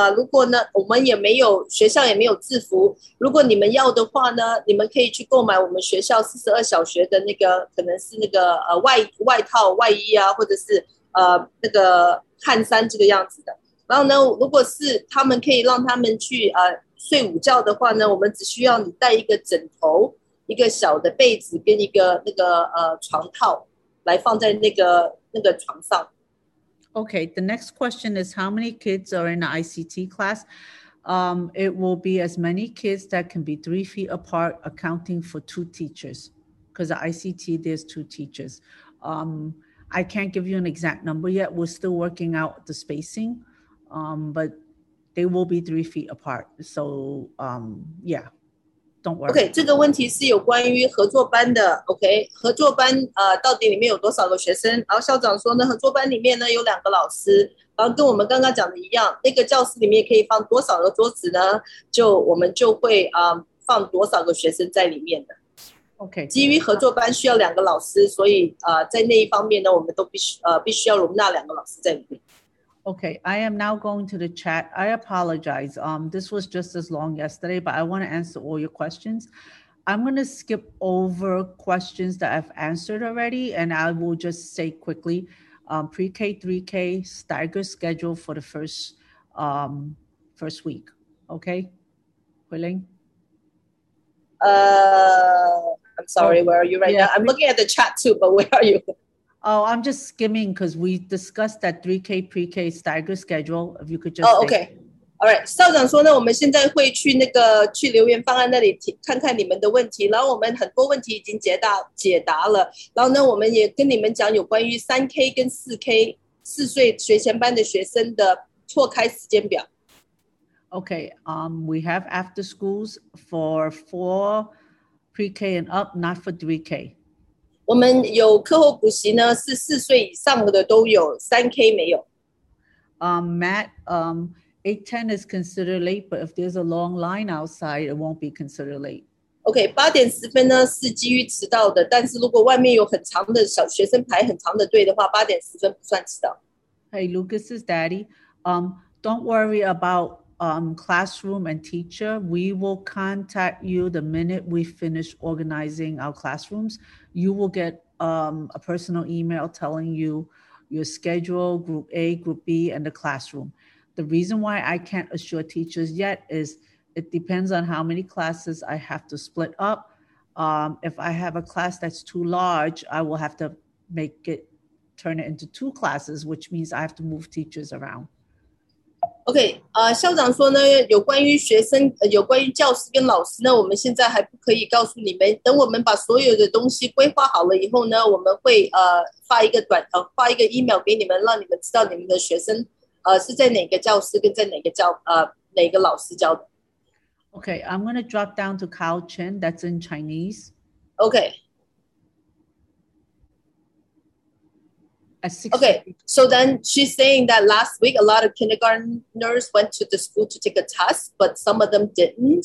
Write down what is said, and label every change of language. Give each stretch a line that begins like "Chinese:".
Chinese: 如果呢我们也没有学校也没有制服，如果你们要的话呢你们可以去购买我们学校42小学的那个可能是那个外套外衣啊，或者是那个汗衫这个样子的，然后呢如果是他们可以让他们去睡午觉的话呢，我们只需要你带一个枕头一个小的被子跟一个那个床套来放在那个床上。
English: Okay, the next question is how many kids are in the ICT class? It will be as many kids that can be 3 feet apart, accounting for 2 teachers. Because the ICT, there's 2 teachers. I can't give you an exact number yet. We're still working out the spacing, but they will be 3 feet apart. So, yeah.
Chinese: OK, 这个问题是有关于合作班的 OK, 合作班到底里面有多少个学生，然后校长说呢合作班里面呢有两个老师，然后跟我们刚刚讲的一样，那个教室里面可以放多少个桌子呢，就我们就会放多少个学生在里面的 OK, 基于合作班需要两个老师，所以在那一方面呢我们都必须要容纳两个老师在里面。
English: Okay, I am now going to the chat. I apologize. This was just as long yesterday, but I want to answer all your questions. I'm going to skip over questions that I've answered already, and I will just say quickly, pre-K, 3K, stagger schedule for the first week. Okay, Huiling? I'm sorry, where are you right now? I'm looking at the chat too, but where are you? Oh, I'm just skimming because we discussed that 3K pre-K stagger schedule. If you could just. Oh, okay. All right.
Chinese: 校长说呢，我们现在会去那个去留言方案那里看看你们的问题，然后我们很多问题已经解答了。然后呢，我们也跟你们讲有关于3K 跟4K 四岁学前班的学生的错开时间表。 Okay.
English: We have after schools for 4 pre-K and up, not for 3K.
Chinese: 我们有课后补习呢，是四岁以上的都有，3K 没有。
English: Matt, 8:10 is considered late, but if there's a long line outside, it won't be considered late.
Chinese: OK, 8:10呢是基于迟到的，但是如果外面有很长的小学生排很长的队的话，8:10不算迟到。
English: Hey, Lucas's daddy, don't worry about classroom and teacher. We will contact you the minute we finish organizing our classrooms. You will get a personal email telling you your schedule, group A, group B, and the classroom. The reason why I can't assure teachers yet is it depends on how many classes I have to split up. If I have a class that's too large, I will have to turn it into 2 classes, which means I have to move teachers around.
Chinese: Okay, 校长说呢，有关于学生，有关于教师跟老师呢，我们现在还不可以告诉你们。等我们把所有的东西规划好了以后呢，我们会发一个 email 给你们，让你们知道你们的学生是在哪个教师跟在哪个老师教的。
English: Okay, I'm going to drop down to Kyle Chen. That's in Chinese. Okay. Okay, so then she's saying that last week a lot of kindergartners went to the school to take a test, but some of them didn't.